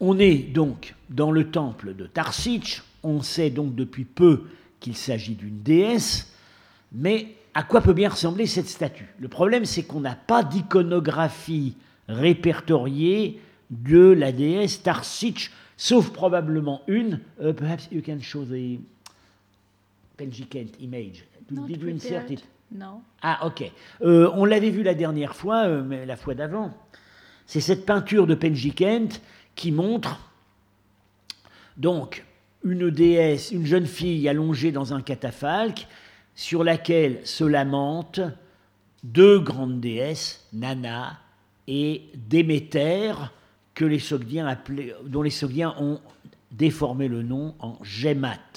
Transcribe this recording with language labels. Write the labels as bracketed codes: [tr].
[fr] On est donc dans le temple de Tarsitch, on sait donc depuis peu qu'il s'agit d'une déesse, mais à quoi peut bien ressembler cette statue ? Le problème, c'est qu'on n'a pas d'iconographie répertoriée de la déesse Tarsitch, sauf probablement une. [en] Perhaps you can show the Pelgicent image. Did you insert it? No. [fr] Ah, ok. On l'avait vu la dernière fois, mais la fois d'avant. C'est cette peinture de Penji Kent qui montre donc une déesse, une jeune fille allongée dans un catafalque sur laquelle se lamentent deux grandes déesses, Nana et Déméter, que les Sogdiens appelaient, dont les Sogdiens ont déformé le nom en Gemat.